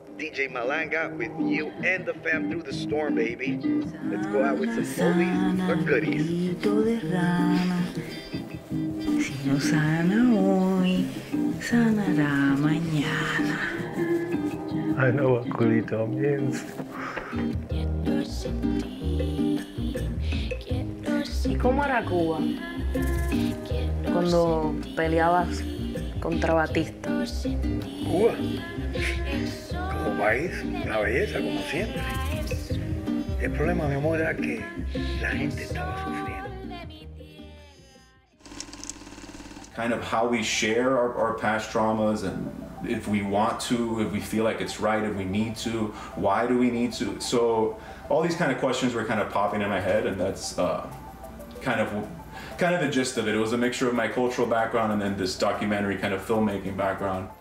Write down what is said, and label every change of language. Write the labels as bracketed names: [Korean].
[English] DJ Malanga with you and the fam through the storm, baby. Let's go out with some oldies or goodies. I know what culito means. [Spanish] ¿Y cómo era Cuba cuando peleabas contra Batista? Cuba, como país, la belleza, como siempre. El problema, mi amor, era que la gente estaba sufriendo. [English] Kind of how we share our past traumas and if we want to, if we feel like it's right, if we need to, why do we need to? So all these kind of questions were kind of popping in my head, and that's kind of the gist of it. It was a mixture of my cultural background and then this documentary kind of filmmaking background.